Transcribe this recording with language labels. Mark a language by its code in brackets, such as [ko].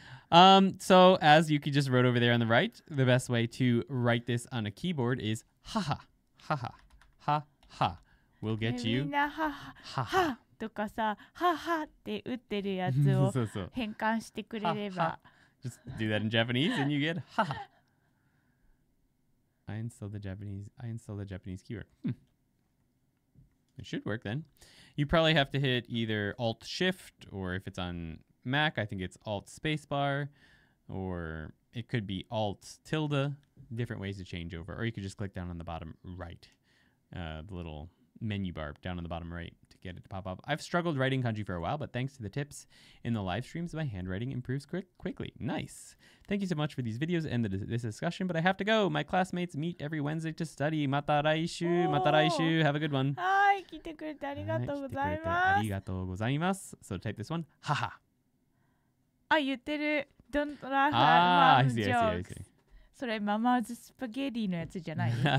[en] So, as Yuki just wrote over there on the right, the best way to write this on a keyboard is haha. Haha. Ha-ha. We'll get you. [ja] みんなはは。ははとかさ、ハハって打ってるやつを変換してくれれば。 [en] Just do that in Japanese and you get ハハ。 I installed the Japanese keyword. It should work then. You probably have to hit either Alt Shift or if it's on Mac, I think it's Alt Spacebar or it could be Alt Tilde. Different ways to change over. Or you could just click down on the bottom right, the little menu bar down on the bottom right. Get it to pop up. I've struggled writing kanji for a while, but thanks to the tips in the live streams, my handwriting improves quickly. Nice. Thank you so much for these videos and this discussion, but I have to go. My classmates meet every Wednesday to study. Mata raishu. Have a good one. [ja] Hi, 来てくれてありがとうございます。ありがとうございます。 [en] So type this one. Ha ha. [ja] あ、言ってる。 [en] Don't laugh at mom jokes. I see. [ja] それ、ママーズスパゲティのやつじゃない?